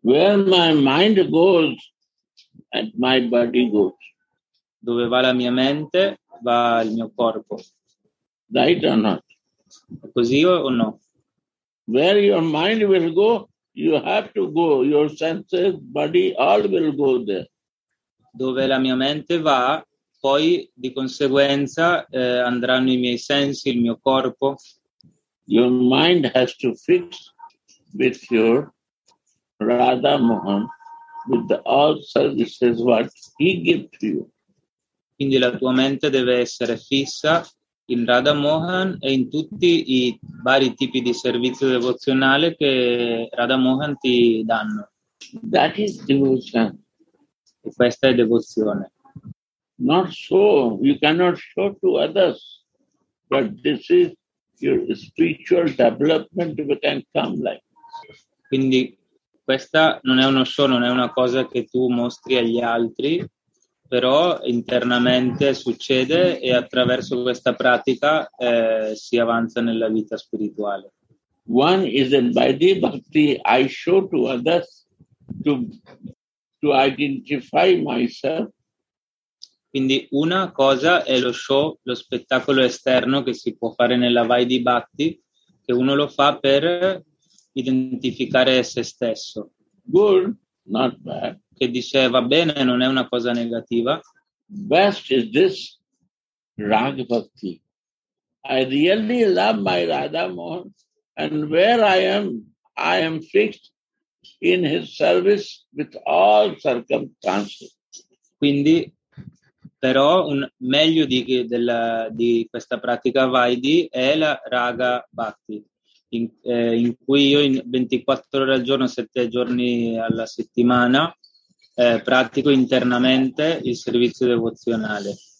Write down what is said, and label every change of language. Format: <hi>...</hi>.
<en>Where my mind goes and my body goes.</en> <it>Dove va la mia mente? Va il mio corpo.</it> <en>Right or not?</en> <it>Così o no?</it> <en>Where your mind will go, you have to go. Your senses, body, all will go there.</en> <it>Dove la mia mente va, poi di conseguenza andranno i miei sensi, il mio corpo.</it> <en>Your mind has to fix with your Radha Mohan, with all services what he gives you.</en> <it>Quindi la tua mente deve essere fissa in Radha Mohan e in tutti i vari tipi di servizio devozionale che Radha Mohan ti danno.</it> <en>That is devotion.</en> <it>E questa è devozione.</it> <en>Not so, you cannot show to others, but this is your spiritual development that can come like.</en> <it>Quindi questa non è uno show, non è una cosa che tu mostri agli altri, però internamente succede e attraverso questa pratica si avanza nella vita spirituale.</it> <en>One is a Vaidhi Bhakti I show to others to identify myself.</en> <it>Quindi una cosa è lo show, lo spettacolo esterno che si può fare nella Vaidhi Bhakti, che uno lo fa per identificare se stesso.</it> <en>Good, not bad.</en> <it>Che dice va bene, non è una cosa negativa.</it> <en>Best is this Raga Bhakti. I really love my Radha Mohan and where I am fixed in his service with all circumstances.</en> <it>Quindi, però, meglio di questa pratica Vaidhi è la Raga Bhakti. In cui io in 24 ore al giorno, 7 giorni alla settimana, pratico internamente il servizio devozionale.</it>